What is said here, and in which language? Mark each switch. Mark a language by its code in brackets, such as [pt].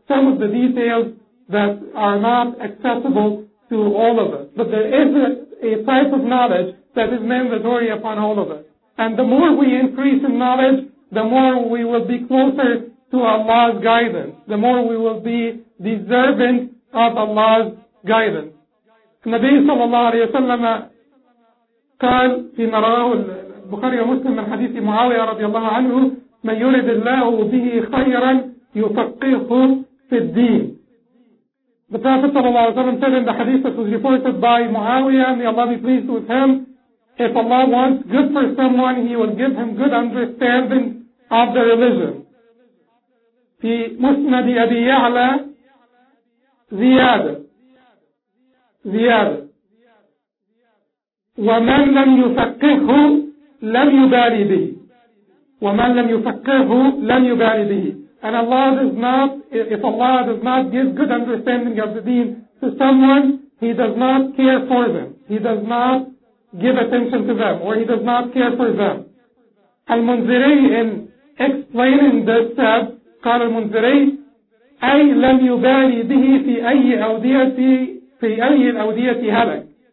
[en] Some of the details that are not accessible to all of us. But there is a type of knowledge that is mandatory upon all of us. And the more we increase in knowledge, the more we will be closer to Allah's guidance. The more we will be deserving of Allah's guidance. Nabi sallallahu alayhi wa sallam [ar] قال في نراه البخاري ومسلم من حديث معاوية رضي الله عنه من يرد الله به خيرا يفقهه في الدين. [en] The Prophet sallallahu alayhi wa sallam said in the hadith that was reported by Muawiyah, may Allah be pleased with him, if Allah wants good for someone, he will give him good understanding of the religion. [ar] في مسند أبي يعلى زيادة ومن لم يفقهه لم يبالي به ومن لم يفقهه لم يبالي به. [en] And Allah does not, if Allah does not give good understanding of the deen to someone, He does not care for them. He does not give attention to them, or He does not care for them. Al-Munziri, in explaining this, said, [ar] قال المنذري أي لم يبالي به في أي أودية في أي الأودية هلك.